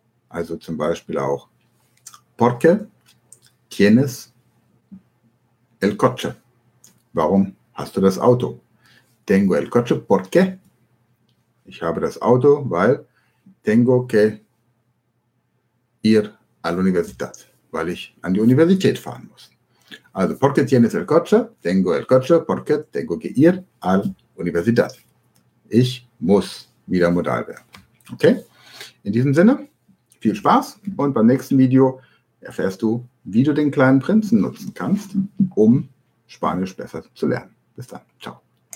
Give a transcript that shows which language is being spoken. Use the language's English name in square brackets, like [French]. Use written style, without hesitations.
[German] Also zum Beispiel auch [Spanish] ¿Por qué tienes el coche? [German] Warum hast du das Auto? [Spanish] Tengo el coche ¿Por qué? [German] Ich habe das Auto, weil [Spanish] tengo que ir a la universidad, [German] weil ich an die Universität fahren muss. [Spanish] Also, ¿por qué tienes el coche? ¿Por qué tengo que ir a la universidad? [German] Ich muss wieder modal werden. Okay? In diesem Sinne, viel Spaß und beim nächsten Video erfährst du, wie du den kleinen Prinzen nutzen kannst, um Spanisch besser zu lernen. Bis dann. Ciao.